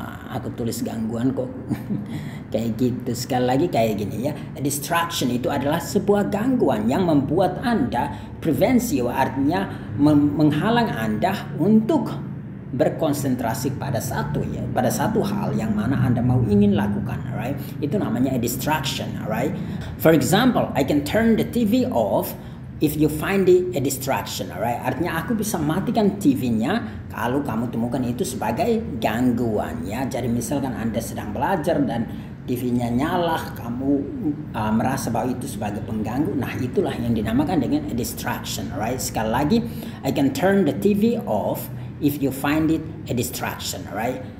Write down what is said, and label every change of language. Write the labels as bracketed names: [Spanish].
[Indonesian] Aku tulis gangguan kok. Kayak gitu, sekali lagi kayak gini, ya? A distraction itu adalah sebuah gangguan yang membuat Anda, [English] prevents you, [Indonesian] artinya menghalang Anda untuk berkonsentrasi pada satu ya, pada satu hal yang mana Anda mau ingin lakukan, right? Itu namanya a distraction, right? [English] For example, I can turn the TV off if you find it a distraction, right? [Indonesian] Artinya aku bisa matikan TV-nya kalau kamu temukan itu sebagai gangguan ya. Jadi misalkan Anda sedang belajar dan TV-nya nyala, kamu merasa bahwa itu sebagai pengganggu. Nah, itulah yang dinamakan dengan a distraction, right? Sekali lagi, [English] I can turn the TV off if you find it a distraction, right?